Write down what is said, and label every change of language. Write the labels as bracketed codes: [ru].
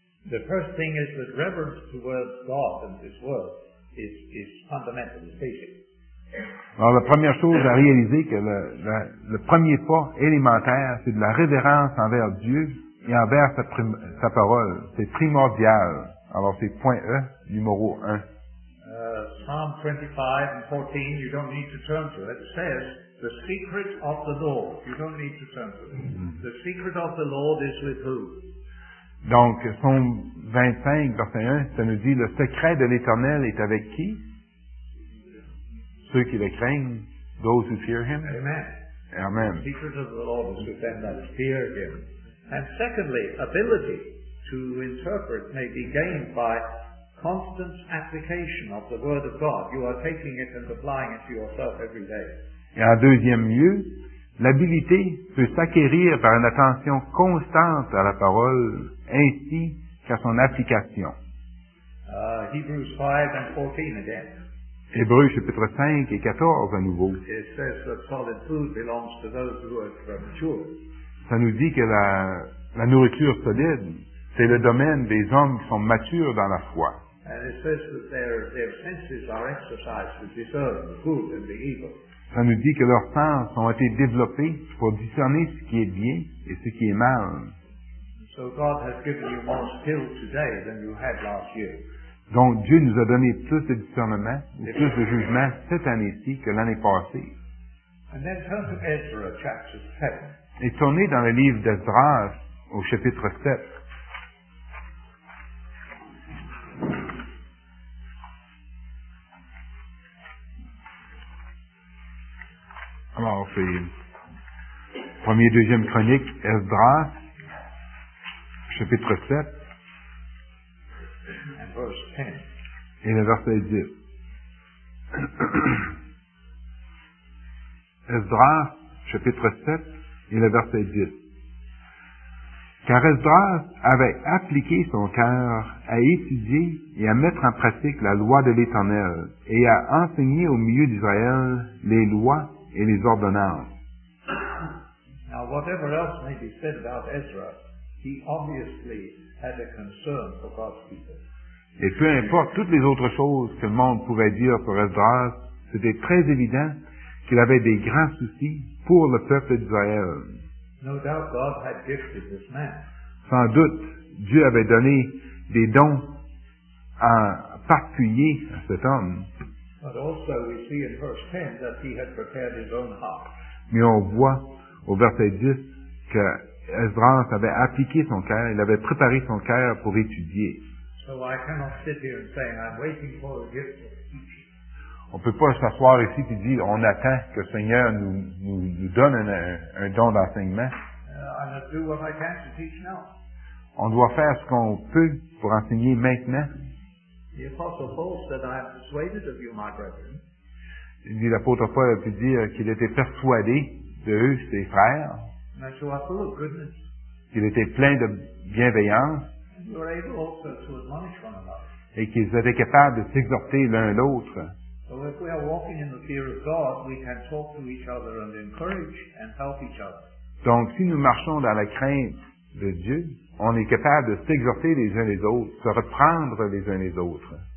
[en] The first thing is that reverence towards God and His Word is fundamental, is basic. [fr] Alors, la première chose à réaliser, que le premier pas élémentaire, c'est de la révérence envers Dieu et envers sa parole. C'est primordial. Alors, c'est point E, numéro 1. [en] Psalm 25 and 14, you don't need to turn to it. It says, the secret of the Lord. You don't need to turn to it. Mm-hmm. The secret of the Lord is with who? [fr] Donc, Psalm 25, verset 1, ça nous dit, le secret de l'Éternel est avec qui? Ceux qui le craignent, [en] those who fear him. Amen. Amen. The secret of the Lord is with them that fear him. And secondly, ability to interpret may be gained by constant application of the Word of God. You are taking it and applying it to yourself every day. [fr] Et en deuxième lieu, l'habilité peut s'acquérir par une attention constante à la parole ainsi qu'à son application. [en] Hebrews 5 and 14 again. [fr] Hébreux chapitre 5 et 14 à nouveau. [en] It says that solid food belongs to those who are mature. [fr] Ça nous dit que la nourriture solide, c'est le domaine des hommes qui sont matures dans la foi. [en] And it says that their senses are exercised to discern the good and the evil. [fr] Ça nous dit que leurs sens ont été développés pour discerner ce qui est bien et ce qui est mal. [en] So God has given you more skill today than you had last year. [fr] Donc Dieu nous a donné plus de discernement ou plus de jugement cette année-ci que l'année passée. [en] And then turn to Ezra, chapter 7. [fr] Et tournez dans le livre d'Esdras au chapitre 7. Alors, c'est premier et deuxième chronique, Esdras, chapitre 7, [en] verse 10. [fr] Et le verset 10. Esdras, chapitre 7, et le verset 10. Car Esdras avait appliqué son cœur à étudier et à mettre en pratique la loi de l'Éternel et à enseigner au milieu d'Israël les lois et les ordonnances. [en] Now, whatever else may be said about Ezra, he obviously had a concern for God's people. [fr] Et peu importe toutes les autres choses que le monde pouvait dire sur Ezra, c'était très évident qu'il avait des grands soucis pour le peuple d'Israël. [en] No doubt God had gifted this man. [fr] Sans doute, Dieu avait donné des dons en particulier à cet homme. [en] But also we see in verse 10 that he had prepared his own heart. [fr] Mais on voit au verset 10 que Esdras avait appliqué son cœur, il avait préparé son cœur pour étudier. [en] So I cannot sit here and say I'm waiting for a gift of teaching. [fr] On peut pas s'asseoir ici et dire on attend que le Seigneur nous donne un don d'enseignement. [en] I must do what I can to teach now. [fr] On doit faire ce qu'on peut pour enseigner maintenant. [en] The Apostle Paul said, I am persuaded of you, my brethren. [fr] Il dit, l'apôtre Paul a pu dire qu'il était persuadé de eux, ses frères. [en] That you are full of goodness. [fr] Qu'il était plein de bienveillance. [en] And you are able also to admonish one another. [fr] Et qu'ils étaient capables de s'exhorter l'un l'autre. [en] So if we are walking in the fear of God, we can talk to each other and encourage and help each other. [fr] Donc, si nous marchons dans la crainte de Dieu, on est capable de s'exhorter les uns les autres, se reprendre les uns les autres.